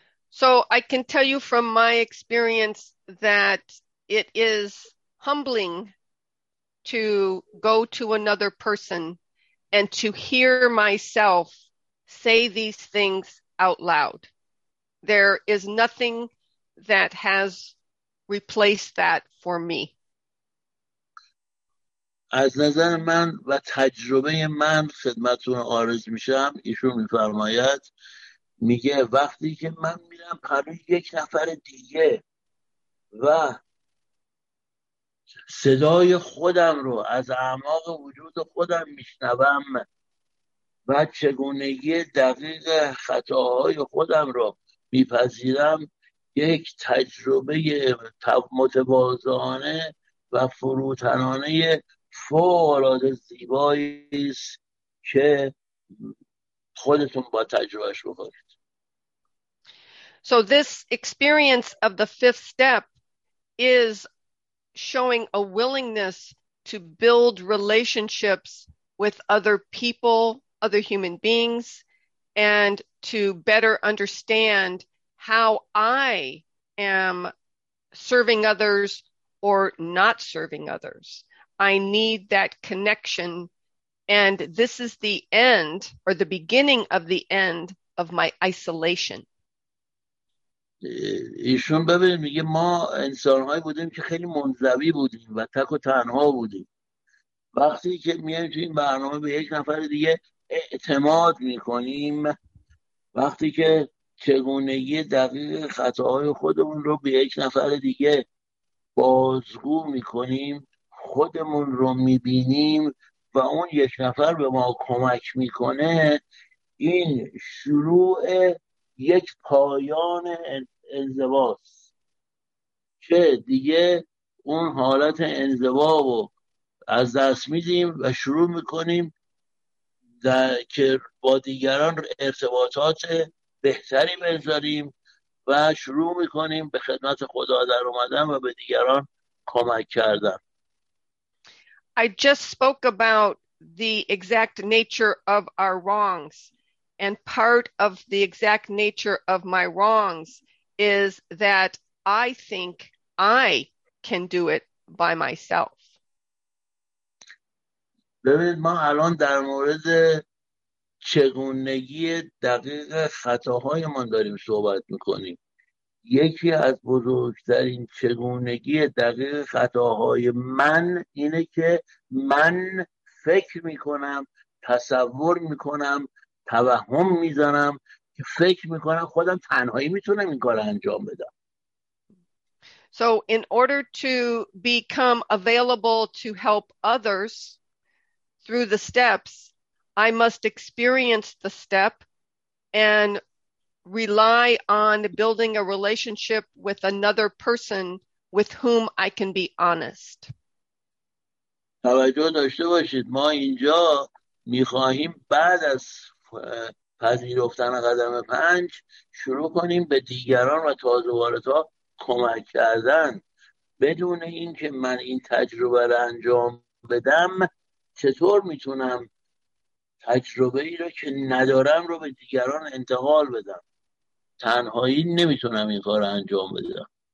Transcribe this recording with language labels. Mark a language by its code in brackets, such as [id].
[en] So I can tell you from my experience that it is humbling to go to another person and to hear myself say these things out loud. There is nothing that has replaced that for me. [fa] از نظر من و تجربه من خدمتتون عارض میشم، ایشون میفرماید، میگه وقتی که من میرم پلوی یک نفر دیگه و صدای خودم رو از اعماق وجود خودم میشنوم و چگونگی دقیق خطاهای خودم رو میپذیرم، یک تجربه متواضعانه و فروتنانه فوق‌العاده زیبایی است که خودتون با تجربهش بخورید. [en] So this experience of the fifth step is showing a willingness to build relationships with other people, other human beings, and to better understand how I am serving others or not serving others. I need that connection, and this is the end or the beginning of the end of my isolation. [fa] ایشون ببینید میگه ما انسانهایی بودیم که خیلی منزوی بودیم و تک و تنها بودیم، وقتی که میایم تو این برنامه به یک نفر دیگه اعتماد میکنیم، وقتی که چگونگی دقیق خطاهای خودمون رو به یک نفر دیگه بازگو میکنیم، خودمون رو میبینیم و اون یک نفر به ما کمک میکنه، این شروع یک پایان انزواست که دیگه اون حالت انزوا رو از دست میدیم و شروع میکنیم که با دیگران ارتباطات بهتری بذاریم و شروع میکنیم به خدمت خدا در اومدن و به دیگران کمک کردن. [en] I just spoke about the exact nature of our wrongs, and part of the exact nature of my wrongs is that I think I can do it by myself. [fa] ببینید ما الان در مورد چگونگی دقیق خطاهای من داریم صحبت میکنیم. یکی از بزرگترین چگونگی دقیق خطاهای من اینه که من فکر میکنم، تصور میکنم، توهم میزنم که فکر میکنم خودم تنهایی میتونم این کار انجام بدم. [en] So in order to become available to help others through the steps, I must experience the step and rely on building a relationship with another person with whom I can be honest. [fa] توجه داشته باشید ما اینجا میخواهیم بعد از پذیرفتن قدم پنج شروع کنیم به دیگران و تازه واردها کمک کردن، بدون اینکه من این تجربه را انجام بدم چطور میتونم تجربه ای را که ندارم رو به دیگران انتقال بدم؟ تنهایی نمیتونم این کار انجام بدم.